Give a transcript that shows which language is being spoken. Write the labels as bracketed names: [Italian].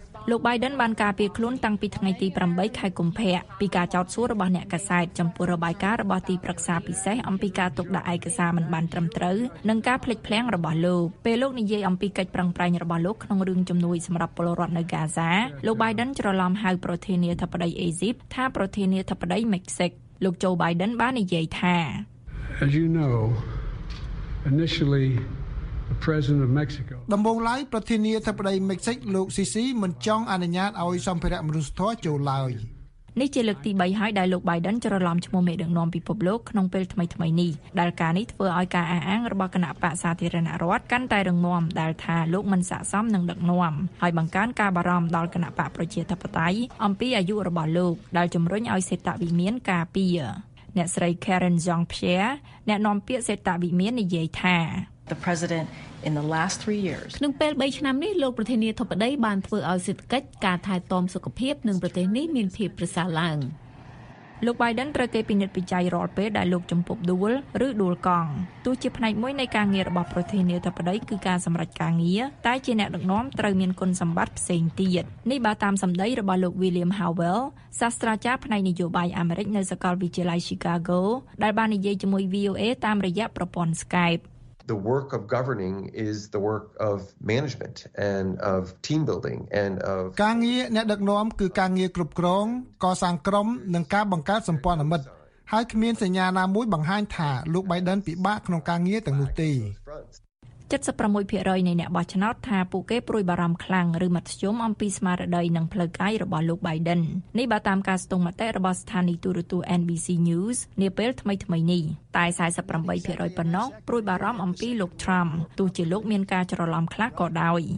[Khmer] លោក Biden បានការពារខ្លួនតាំងពីថ្ងៃទី8ខែកុម្ភៈពីការចោទសួររបស់អ្នកកាសែតចំពោះរបាយការណ៍របស់ទីប្រឹក្សាពិសេសអំពីការទុកដាក់ឯកសារមិនបានត្រឹមត្រូវនិងការភ្លេចភ្លាំងរបស់លោកពេលលោកនិយាយអំពីកិច្ចប្រឹងប្រែងរបស់លោកក្នុងរឿងជំនួយសម្រាប់ពលរដ្ឋនៅហ្គាហ្សាលោក Biden ច្រឡំហៅប្រធានាធិបតីអេស៊ីបថាប្រធានាធិបតីមិចស៊ិកលោក Joe Biden បាននិយាយថា [English] As you know initially the president of Mexico [Khmer] ដំបូងឡើយប្រធានាធិបតីមិចស៊ិកលោកស៊ីស៊ីមិនចង់អនុញ្ញាតឲ្យសម្ភារៈមនុស្សធម៌ចូលឡើយ នេះជាលើកទី3ហើយដែលលោក Biden ច្រឡំឈ្មោះមេដឹកនាំពិភពលោកក្នុងពេលថ្មីៗនេះដែលការនេះធ្វើឲ្យការអះអាងរបស់គណៈបកសាធារណរដ្ឋកាន់តែរងងំដែលថាលោកមិនស័ក្តិសមនឹងដឹកនាំហើយបង្កើនការបារម្ភដល់គណៈបកប្រជាធិបតេយ្យអំពីអាយុរបស់លោកដែលជំរុញឲ្យសេតវិមានការពារអ្នកស្រី Karen Jean-Pierre អ្នកនាំពាក្យសេតវិមាននិយាយថា [English] The president in the last 3 years [Khmer] ក្នុងពេល3ឆ្នាំនេះលោកប្រធានាធិបតីបានធ្វើឲ្យសេដ្ឋកិច្ចការថែទាំសុខភាពនឹងប្រទេសនេះមានភាពប្រសើរឡើងលោក Biden ត្រូវគេពិនិត្យពិច័យរាល់ពេលដែលលោកចំពប់ដួលឬដួលកង់ទោះជាផ្នែកមួយនៃការងាររបស់ប្រធានាធិបតីគឺការសម្រេចការងារតែជាអ្នកដឹកនាំត្រូវមានគុណសម្បត្តិផ្សេងទៀតនេះបើតាមសម្ដីរបស់លោក William Howell សាស្ត្រាចារ្យផ្នែកនយោបាយអាមេរិកនៅសាកលវិទ្យាល័យ Chicago ដែលបាននិយាយជាមួយ VOA តាមរយៈប្រព័ន្ធ Skype [English] The work of governing is the work of management and of team building and of [Khmer] ការងារអ្នកដឹកនាំគឺការងារគ្រប់គ្រងកសាងក្រុមនិងការបង្កើតសម្ព័ន្ធមិត្តហើយគ្មានសញ្ញាណាមួយបង្ហាញថាលោក Biden ពិបាកក្នុងការងារទាំងនោះទេ 76% នៃអ្នកបោះឆ្នោតថាពួកគេព្រួយបារម្ភខ្លាំងឬមធ្យមអំពីស្មារតីនិងផ្លូវកាយរបស់លោក Biden នេះបើតាមការស្ទង់មតិរបស់ស្ថានីយ៍ទូរទស្សន៍ NBC News នាពេលថ្មីៗនេះតែ 48% ប៉ុណ្ណោះព្រួយបារម្ភអំពីលោក Trump ទោះជាលោកមានការច្រឡំខ្លះក៏ដោយ